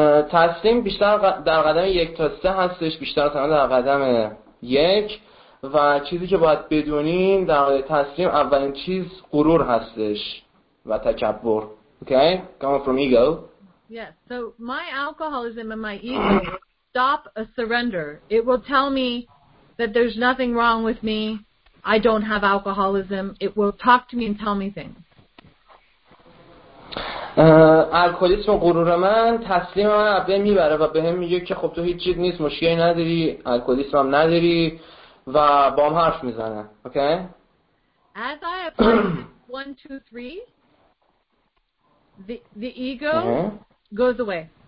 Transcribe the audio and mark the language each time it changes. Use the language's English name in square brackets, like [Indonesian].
[Persian] تسلیم بیشتر در قدم 1-3 هستش، بیشتر تنها در قدم 1. و چیزی که باید بدونین در قدم تسلیم اولین چیز غرور هستش و تکبر. [English] Okay, coming from ego. Yes, so my alcoholism and my ego stop a surrender. It will tell me that there's nothing wrong with me, I don't have alcoholism. It will talk to me and tell me things. [Persian] الکلیسم و غرور من تسلیم من عبده میبره و به هم میگه که خب تو هیچ چیز نیست، مشکلی نداری، الکلیسم هم نداری و با هم حرف میزنه. [English] Okay? As I apply 1, 2, 3 the ego goes away.